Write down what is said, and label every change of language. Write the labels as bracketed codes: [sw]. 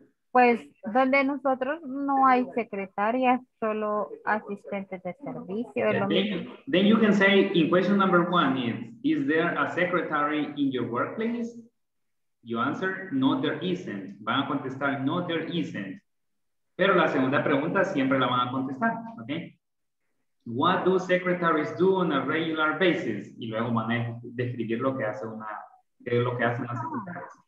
[es] Pues, donde nosotros no hay secretaria, solo asistentes de servicio. [en] Then you can say, in question number one, is there a secretary in your workplace? You answer, no, there isn't. [es] Van a contestar, [en] no, there isn't. [es] Pero la segunda pregunta siempre la van a contestar, ¿ok? [en] What do secretaries do on a regular basis? [es] Y luego van a describir lo que hace una, lo que hacen las secretarias.